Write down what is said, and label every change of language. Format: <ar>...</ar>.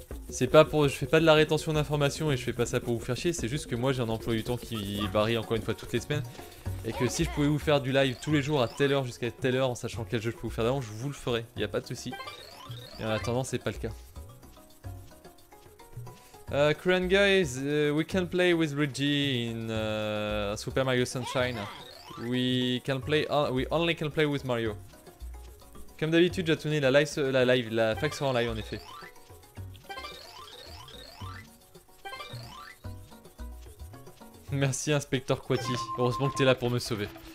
<fr>C'est pas pour... Je fais pas de la rétention d'informations et je fais pas ça pour vous faire chier. C'est juste que moi, j'ai un emploi du temps qui varie encore une fois toutes les semaines. Et que si je pouvais vous faire du live tous les jours à telle heure jusqu'à telle heure en sachant quel jeu je peux vous faire d'avance, je vous le ferais. Y a pas de souci. Et en attendant, c'est pas le cas.</fr> <en>Kuran guys, we can play with Luigi in Super Mario Sunshine. We only can play with Mario.</en> <fr>Comme d'habitude, j'ai tourné la fac sera en live en effet. Merci inspecteur Quati, heureusement que t'es là pour me sauver.</fr>